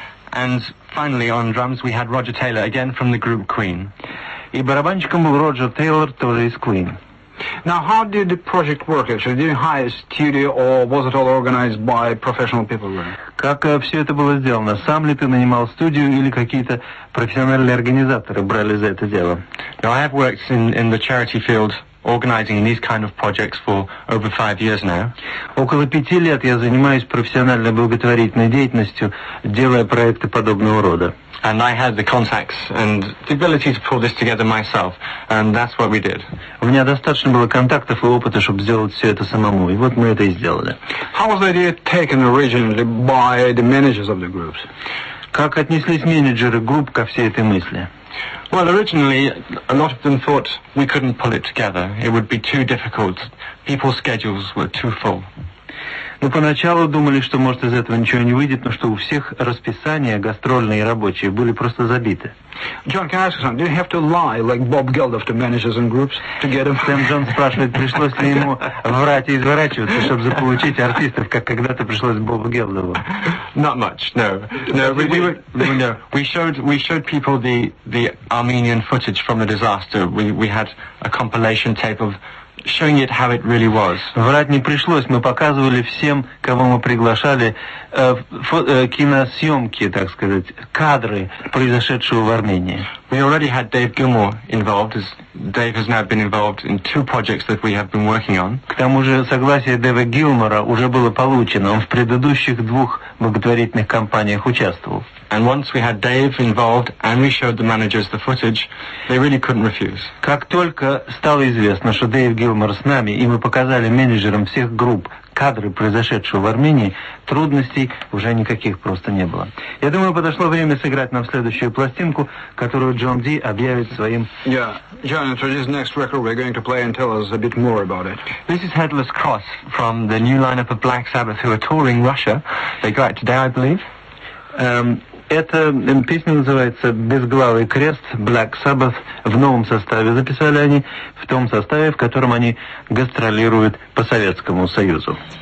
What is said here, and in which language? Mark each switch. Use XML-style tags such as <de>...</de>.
<en>And finally, on drums, we had Roger Taylor, again from the group Queen.</en> <ru>И барабанщиком был Роджер Тейлор, тоже из Queen.</ru> <en>Now, how did the project work actually? Did you hire a studio or was it all organized by professional people there?</en> <ru>Как все это было сделано? Сам ли ты нанимал студию или какие-то профессиональные организаторы брали за это дело?</ru> <en>Now, I have worked in the charity field organizing these kind of projects for over 5 years now.</en> <ru>Около 5 лет я занимаюсь профессиональной благотворительной деятельностью, делая проекты подобного рода.</ru> <en>And I had the contacts and the ability to pull this together myself, and that's what we did.</en> <ru>У меня достаточно было контактов и опыта, чтобы сделать все это самому, и вот мы это и сделали.</ru> <en>How was the idea taken originally by the managers of the groups?</en> <ru>Как отнеслись менеджеры групп ко всей этой мысли?</ru> <en>Well, originally, a lot of them thought we couldn't pull it together. It would be too difficult. People's schedules were too full.</en> <ru>Мы поначалу думали, что, может, из этого ничего не выйдет, но что у всех расписания гастрольные и рабочие были просто забиты.</ru> <en>John, can I ask you something? Do you have to lie like Bob Geldof to managers and groups to get them?</en> <ru>Сэм Джон спрашивает, пришлось ли ему врать и изворачиваться, чтобы заполучить артистов, как когда-то пришлось Бобу Гелдову?</ru> <en>Not much, no. We showed people the Armenian footage from the disaster. We had a compilation tape of showing it how it really was.</en> <ru>Врать не пришлось. Мы показывали всем, кого мы приглашали, киносъемки, так сказать, кадры произошедшего в Армении.</ru> <en>We already had Dave Gilmour involved, as Dave has now been involved in two projects that we have been working on.</en> <ru>К тому же согласие Дэва Гилмора уже было получено. Он в предыдущих двух благотворительных кампаниях участвовал.</ru> <en>And once we had Dave involved and we showed the managers the footage, they really couldn't refuse.</en> <ru>Как только стало известно, что Дэйв Гилмор с нами, и мы показали менеджерам всех групп кадры произошедшего в Армении, трудностей уже никаких просто не было. Я думаю, подошло время сыграть нам следующую пластинку, которую Джон Ди объявит своим...</ru> <en>Yeah, John, so this next record we're going to play and tell us a bit more about it. This is Headless Cross from the new lineup of Black Sabbath who are touring Russia. They go out today, I believe.</en> <ru>Эта песня называется «Безглавый крест», Black Sabbath, в новом составе записали они, в том составе, в котором они гастролируют по Советскому Союзу.</ru>